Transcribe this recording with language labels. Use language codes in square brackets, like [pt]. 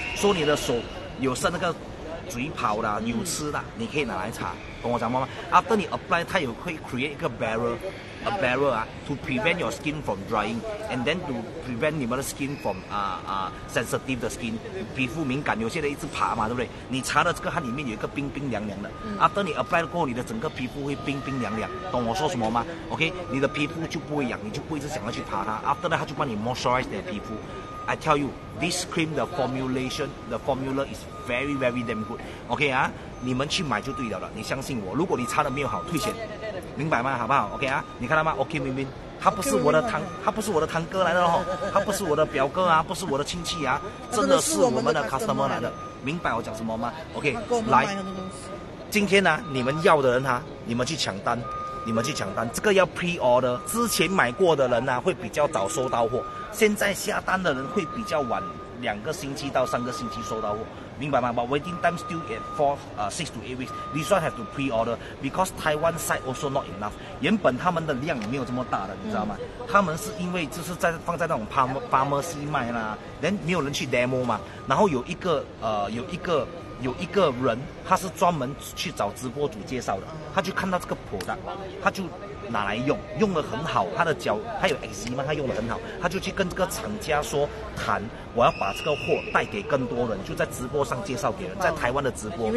[zh] 说你的手有剩那个嘴跑啦、扭吃啦，你可以拿来擦，懂我讲什么吗 ？After 你 apply， 它有会 create 一个 barrier， [en] a barrier [zh] 啊 ， [en] to prevent your skin from drying，and then to prevent [zh] 你们的 [en] skin from sensitive [zh] 的 skin， 皮肤敏感，有些人一直爬嘛，对不对？你擦的这个它里面有一个冰冰凉凉的 ，After 你 apply 过后，你的整个皮肤会冰冰凉凉，懂我说什么吗 ？OK， 你的皮肤就不会痒，你就不一直想要去爬它。 [en] After that， [zh] 它就帮你 moisturize 你的皮肤。 [en] I tell you， this cream the formulation， the formula is very very damn good。 [zh] OK 啊，你们去买就对了了，你相信我。如果你擦的没有好，退钱，明白吗？好不好 ？OK 啊，你看到吗 ？OK， 明明他不是我的堂，他不是我的堂哥来的哦，他不是我的表哥啊，不是我的亲戚啊，真的是我们的 customer 来的。明白我讲什么吗 ？OK， 来，今天呢、啊，你们要的人哈、啊，你们去抢单，你们去抢单，这个要 [en] pre order， [zh] 之前买过的人呢、啊，会比较早收到货。现在下单的人会比较晚，两个星期到三个星期收到货，明白吗 ？ [en] But waiting time still at six to eight weeks. This one have to pre-order because Taiwan side also not enough. [zh] 原本他们的量没有这么大的，你知道吗？他们是因为就是在放在那种 pharmacy 卖啦，人没有人去 demo 嘛。然后有一个人，他是专门去找直播主介绍的，他就看到这个product，他就拿来用，用得很好，他的脚他有 eczema， 他用得很好，他就去跟这个厂家说谈，我要把这个货带给更多人，就在直播上介绍给人，在台湾的直播，